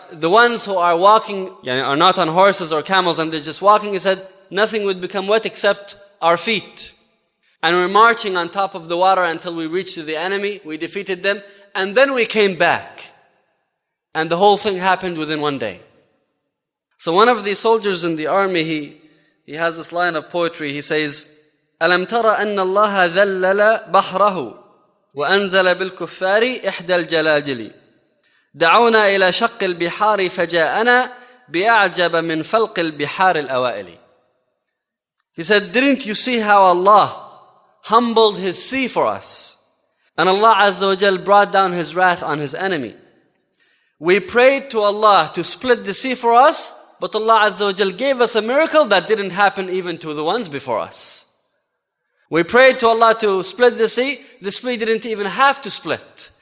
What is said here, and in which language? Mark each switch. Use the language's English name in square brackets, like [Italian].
[English] The ones who are walking are not on horses or camels and they're just walking. He said, nothing would become wet except our feet. And we're marching on top of the water until we reached the enemy. We defeated them. And then we came back. And the whole thing happened within one day. So one of the soldiers in the army, he has this line of poetry. He says, [Arabic] أَلَمْ تَرَ أَنَّ اللَّهَ ذَلَّلَ بَحْرَهُ وَأَنزَلَ بِالْكُفَّارِ إِحْدَى الْجَلَاجِلِ دَعَوْنَا إِلَى شَقِّ الْبِحَارِ فَجَاءَنَا بِأَعْجَبَ مِنْ فَلْقِ الْبِحَارِ الْأَوَائِلِ [English] He said, didn't you see how Allah humbled his sea for us? And Allah Azza wa Jal brought down his wrath on his enemy. We prayed to Allah to split the sea for us, but Allah Azza wa Jal gave us a miracle that didn't happen even to the ones before us. We prayed to Allah to split the sea. The sea didn't even have to split.